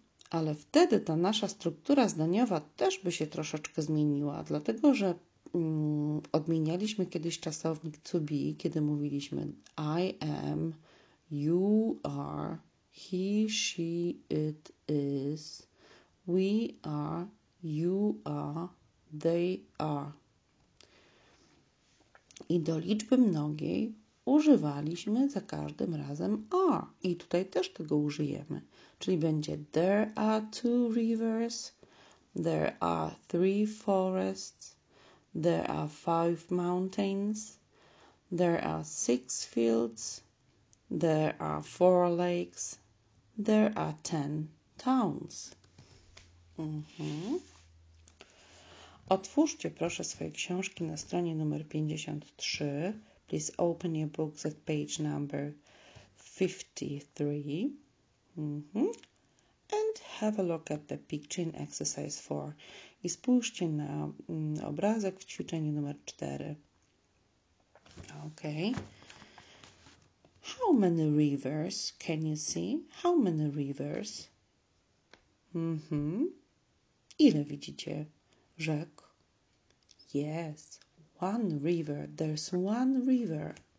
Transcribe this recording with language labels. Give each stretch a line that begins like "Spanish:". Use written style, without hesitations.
Polish: Ale wtedy ta nasza struktura zdaniowa też by się troszeczkę zmieniła, dlatego że odmienialiśmy kiedyś czasownik to be, kiedy mówiliśmy
English: I am, you are, he, she, it, is, we are, you are, they are.
Polish: I do liczby mnogiej używaliśmy za każdym razem are. I tutaj też tego użyjemy. Czyli będzie
English: there are two rivers, there are three forests, there are five mountains, there are six fields, there are four lakes, there are ten towns.
Polish: Otwórzcie proszę swoje książki na stronie numer 53.
English: Please open your books at page number 53. And And have a look at the picture in exercise 4.
Polish: I spójrzcie na obrazek w ćwiczeniu numer 4.
English: Okay. How many rivers can you see? How many rivers?
Polish: Ile widzicie rzek?
English: Yes, one river. There's one river.